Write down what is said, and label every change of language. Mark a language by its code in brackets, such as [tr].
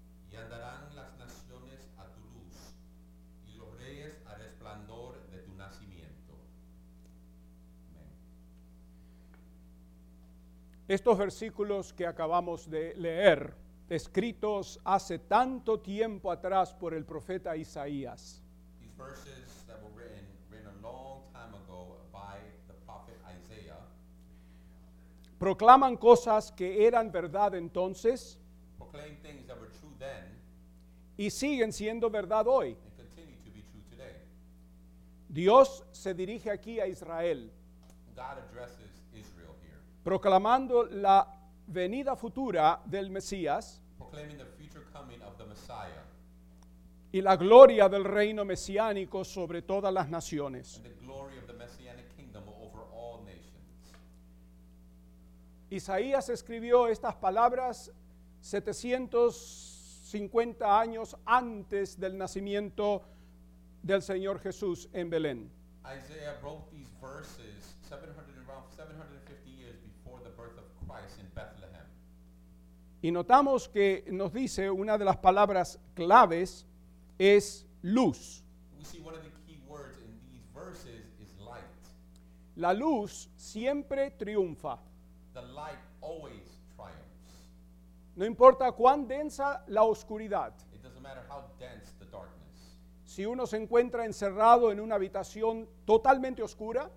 [es] Y andarán las naciones a tu luz, y los reyes al resplandor de tu nacimiento. Amén. Estos versículos que acabamos de leer, escritos hace tanto tiempo atrás por el profeta Isaías. [en] These verses that were written a long time ago by the prophet Isaiah. [es] Proclaman cosas que eran verdad entonces. [en] Proclaim things that were true then. [es] Y siguen siendo verdad hoy. [en] And continue to be true today. [es] Dios se dirige aquí a Israel. [en] God addresses Israel here. [es] Proclamando la venida futura del Mesías. [en] Proclaiming the future coming of the Messiah. [es] Y la gloria del reino mesiánico sobre todas las naciones. [en] And the glory of the messianic kingdom over all nations. [es] Isaías escribió estas palabras 750 años antes del nacimiento del Señor Jesús en Belén. [en] Isaiah wrote these verses 750 years before the birth of Christ in Bethlehem. [es] Y notamos que nos dice una de las palabras claves es luz. [en] We see one of the key words in these verses is light. [es] La luz siempre triunfa. [en] The light always triumphs. [es] No importa cuán densa la oscuridad. [en] It doesn't matter how dense the darkness. [es] Si uno se encuentra encerrado en una habitación totalmente oscura,